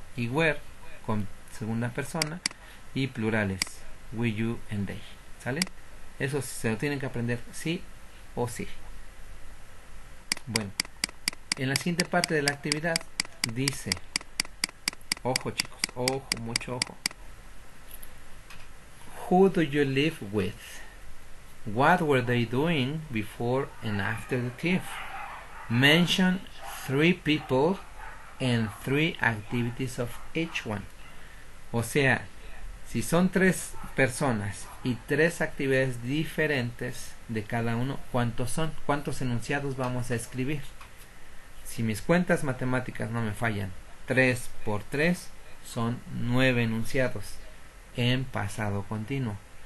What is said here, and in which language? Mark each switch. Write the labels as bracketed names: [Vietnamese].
[Spanish] Y were, con segunda persona. Y plurales, [English] we, you, and they. [Spanish] ¿Sale? Eso se lo tienen que aprender sí o sí. Bueno, en la siguiente parte de la actividad dice, ojo chicos, ojo, mucho ojo. [English] Who do you live with? What were they doing before and after the thief? Mention three people and three activities of each one. [Spanish] O sea, si son tres personas y tres actividades diferentes de cada uno, ¿cuántos son? ¿Cuántos enunciados vamos a escribir? Si mis cuentas matemáticas no me fallan, 3 por 3 son 9 enunciados en pasado continuo.